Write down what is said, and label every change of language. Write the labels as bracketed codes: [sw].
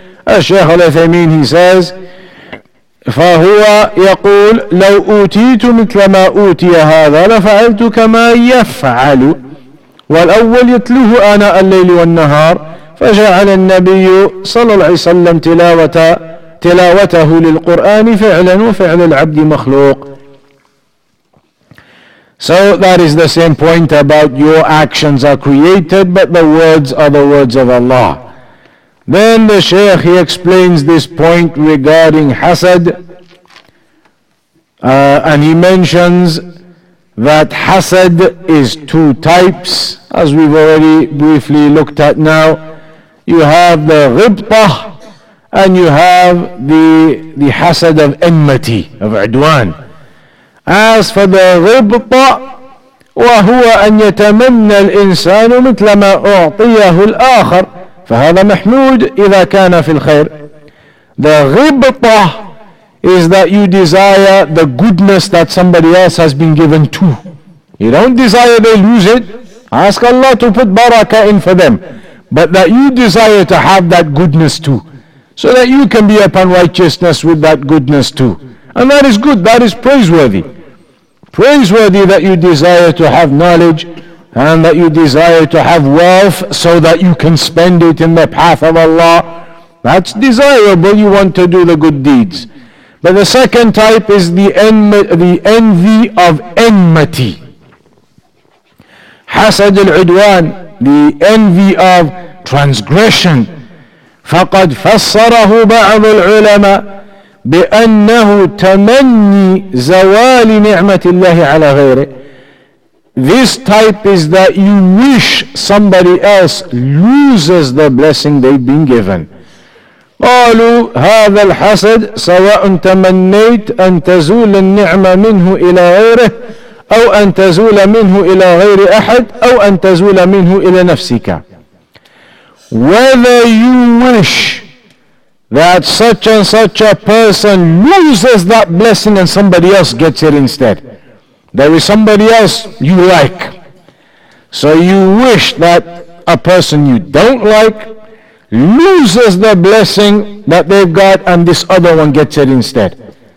[ar] الشيخ الأثيمين, [en] he says, [ar] فهو يقول لو أوتيت مثل ما أوتي هذا لفعلت كما يفعل والأول يتلوه آناء الليل والنهار فجعل النبي صلى الله عليه وسلم تلاوته للقرآن فعلا وفعل العبد مخلوق. [en] So that is the same point about your actions are created but the words are the words of Allah. Then the Shaykh, he explains this point regarding hasad, and he mentions that hasad is two types, as we've already briefly looked at now. You have the ghibtah, and you have the hasad of enmity, of udwan. As for the ghibtah, [ar] وَهُوَ أَنْ يَتَمَنَّ الْإِنسَانُ مِثْلَ مَا أُعْطِيَهُ الْآخَرُ فهذا محمود إذا كان في الخير. [en] The ghibtah is that you desire the goodness that somebody else has been given to. You don't desire they lose it. Ask Allah to put barakah in for them. But that you desire to have that goodness too. So that you can be upon righteousness with that goodness too. And that is good, that is praiseworthy. Praiseworthy that you desire to have knowledge and that you desire to have wealth so that you can spend it in the path of Allah. That's desirable, you want to do the good deeds. But the second type is the envy of enmity. Hasad al-udwan, the envy of transgression. [ar] فَقَدْ فَصَّرَهُ بَعْضُ الْعُلَمَةِ بِأَنَّهُ تَمَنِّي زَوَالِ نِعْمَةِ اللَّهِ عَلَى غَيْرِهِ. [en] This type is that you wish somebody else loses the blessing they've been given. [ar] قالوا هذا الحسد سواء تمنيت أن تزول النعمة منه إلى غيره أو أن تزول منه إلى غير أحد أو أن تزول منه إلى نفسك. [en] Whether you wish that such and such a person loses that blessing and somebody else gets it instead. There is somebody else you like. So you wish that a person you don't like loses the blessing that they've got and this other one gets it instead.